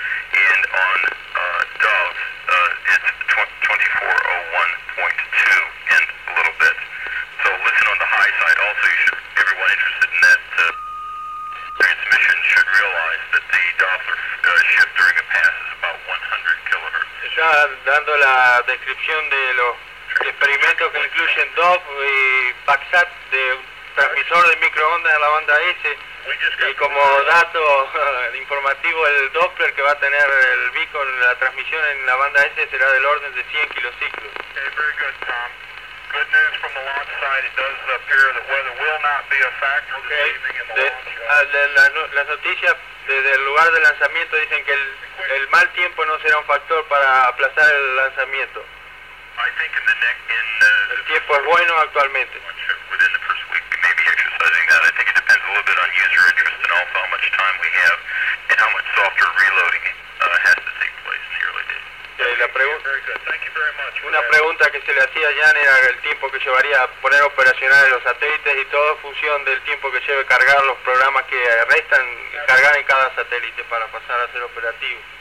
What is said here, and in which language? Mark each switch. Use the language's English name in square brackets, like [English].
[English] And on Dove, it's 2401.2 and a little bit. So listen on the high side. Also, you should, everyone interested in that transmission should realize that the Doppler shift during a pass is about 100 kilohertz. [Spanish] Está dando la descripción de los experimentos que incluyen Dove y PAXSAT de transmisor de microondas a la banda S. Y como dato informativo, el Doppler que va a tener el beacon, la transmisión en la banda S será del orden de 100 kilociclos. [English] Okay, very good, Tom. Good news from the launch site. It does appear the weather will not be a factor okay. This evening in the launch. [Spanish] Las noticias desde el lugar del lanzamiento dicen que el mal tiempo no será un factor para aplazar el lanzamiento. [English] I think in the next, [Spanish] el tiempo es bueno actualmente. [English] Within the first week, we may be exercising that. I think it depends a little bit on user interest and also how much time we have and how much software reloading has to take place. [Spanish] Una pregunta que se le hacía a Jan era el tiempo que llevaría a poner operacionales los satélites y todo en función del tiempo que lleve cargar los programas que restan, cargar en cada satélite para pasar a ser operativo.